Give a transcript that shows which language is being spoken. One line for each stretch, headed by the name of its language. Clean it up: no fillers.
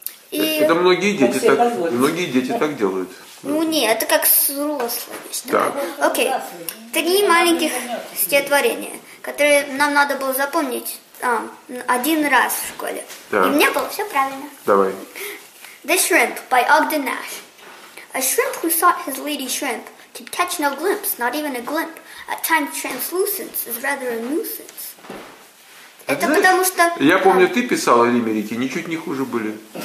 Russian: Это многие дети так делают. Ну нет, это как с взрослыми. Так. Окей. Три маленьких стихотворения, которые нам надо было запомнить один раз в школе. Так. И у меня было все правильно. Давай.
English: The Shrimp by Ogden Nash. A shrimp who sought his lady shrimp could catch no glimpse, not even a glimpse. At times translucence is rather a nuisance.
Russian: Это знаешь, потому что... Я помню, ты писала лимерики, ничуть не хуже были.